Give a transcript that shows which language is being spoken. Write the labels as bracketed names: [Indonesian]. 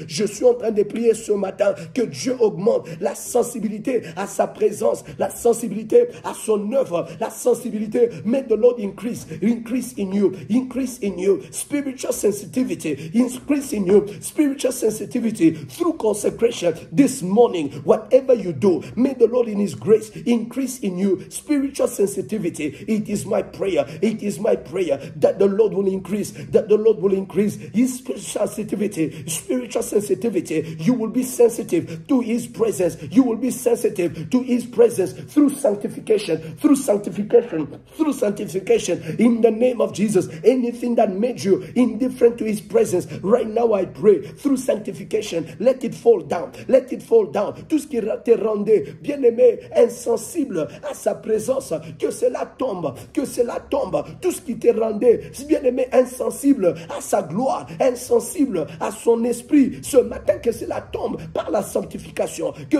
[French] Je suis en train de prier ce matin que Dieu augmente la sensibilité à sa présence, la sensibilité à son œuvre, la sensibilité. [English] May the Lord increase in you, spiritual sensitivity, increase in you, spiritual sensitivity through consecration this morning. Whatever you do, may the Lord in his grace increase in you spiritual sensitivity. It is my prayer, that the Lord will increase, his spiritual sensitivity. You will be sensitive to his presence. You will be sensitive to his presence through sanctification, in the name of Jesus. Anything that made you indifferent to his presence, right now I pray, through sanctification, let it fall down. Let it fall down. [French] Tout ce qui te rendait bien-aimé, insensible à sa présence, que cela tombe. Tout ce qui te rendait bien-aimé, insensible à sa gloire, insensible à son esprit, ce matin, que cela tombe par la sanctification.